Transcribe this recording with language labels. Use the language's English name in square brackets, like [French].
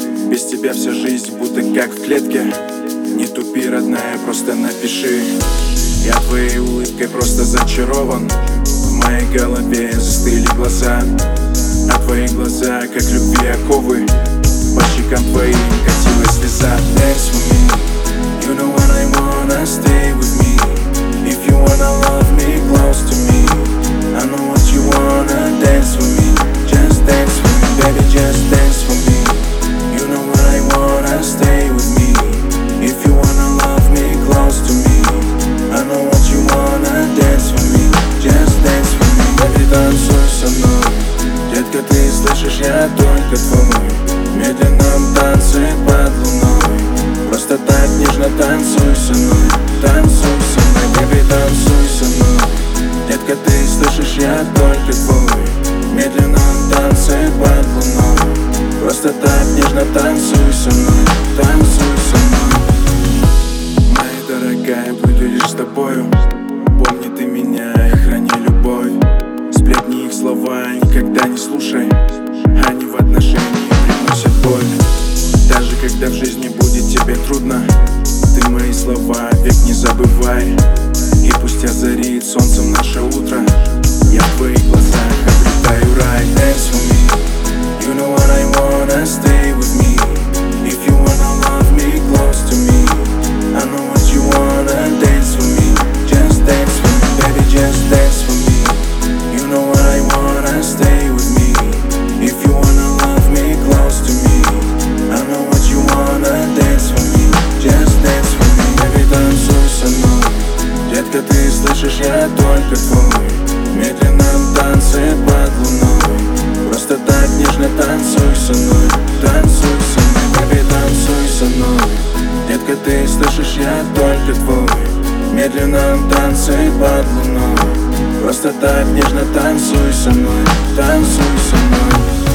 [Russian] Без тебя вся жизнь будто как в клетке. Не тупи, родная, просто напиши. Я твоей улыбкой просто зачарован. В моей голове застыли глаза, а твои глаза, как любви оковы. По щекам твоим катилась слеза. [English] Dance with me, you know what I wanna, stay with me. If you wanna love me, close to me. I know what you wanna, dance with me. Just dance with me, baby, just dance with me. You know what I wanna, stay with me. If you wanna love me, close to me. I know what you wanna, dance with me. Just dance with me, baby, [Russian] танцуй со мной. Детка, ты слышишь, я только твой. Медленно танцуй под луной. Просто так нежно танцуй со мной. Танцуй со мной, baby, танцуй со мной. Детка, ты слышишь, я только твой. Медленно танцуй под луной. Просто так нежно танцуй со мной. Танцуй со мной. Моя дорогая, буду лишь с тобою. Помни ты меня и храни любовь. Сплетни их слова, никогда не слушай. Они в отношениях приносят боль. Даже когда в жизни будет тебе трудно, ты мои слова век не забывай. И пусть озарит солнцем наше утро, я в твоих глазах обретаю рай. [English] Dance with me, you know what I wanna, stay with me. If you wanna love me, close to me. I know what you wanna, dance with me. Just dance with me, baby, just dance with me. You know what I wanna, stay with me. If you wanna love me, close to me. I know what you wanna, dance with me. Just dance with me, baby, [Russian] танцуй со мной. Детка, ты слышишь, я только твой. Медленно танцы под луной. Просто так нежно танцуй со мной. Танцуй со мной, baby, танцуй со мной. Детка, ты слышишь, я только твой. Медленно танцы под луной. Просто так нежно танцуй со мной. Танцуй со мной.